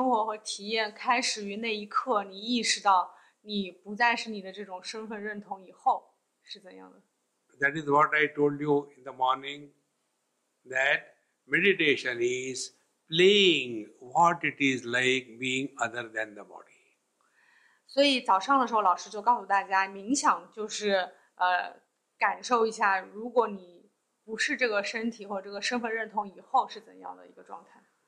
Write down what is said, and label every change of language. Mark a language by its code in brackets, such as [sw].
[zh] 就是你的灵修的这种生活和体验开始于那一刻，你意识到 你不再是你的这种身份认同以后是怎样的？ [en] That is what I told you in the morning, that meditation is playing what it is like being other than the body. [zh] 所以早上的时候老师就告诉大家，冥想就是感受一下，如果你不是这个身体或这个身份认同以后是怎样的一个状态。